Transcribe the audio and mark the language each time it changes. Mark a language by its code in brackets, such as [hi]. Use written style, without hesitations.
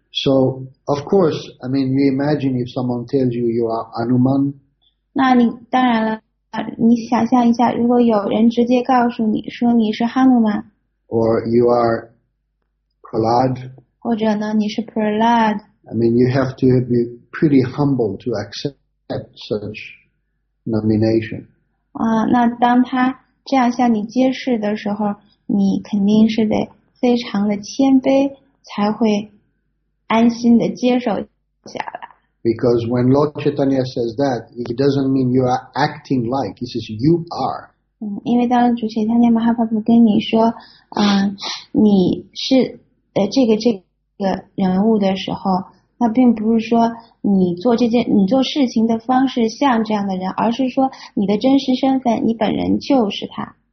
[en] So, of course, I mean, you imagine if someone tells you you are Anuman. [zh] 那你当然了，你想象一下，如果有人直接告诉你说你是哈努曼。 [en] Or you are Prahlad. [zh] 或者呢，你是 Prahlad. [en] I mean, you have to be pretty humble to accept such nomination. [zh] 那当他这样向你揭示的时候，你肯定是得非常的谦卑才会。安心地接受下来。 [en] Because when Lord Chaitanya says that, it doesn't mean you are acting like. He says you are. [zh] 因为当主 Chaitanya Mahaprabhu 跟你说，你是这个人物的时候，那并不是说你做这件你做事情的方式像这样的人，而是说你的真实身份，你本人就是他。